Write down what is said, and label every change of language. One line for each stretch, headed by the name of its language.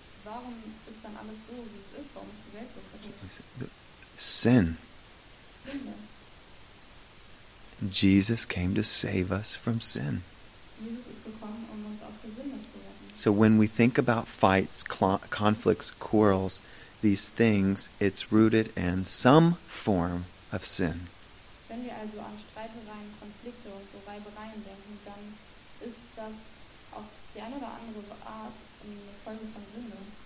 German: warum ist dann alles so, wie es ist? Warum ist die Welt so kaputt?
English: Sin.
German: Sünde.
English: Jesus came to save us from sin.
German: Jesus ist gekommen, um uns aus der Sünde zu retten.
English: So when we think about fights, conflicts, quarrels, these things, it's rooted in some form of sin.
German: Wenn wir also an Streitereien, Konflikte und so Reibereien denken, dann ist das auf die eine oder andere Art eine Folge von Sünde.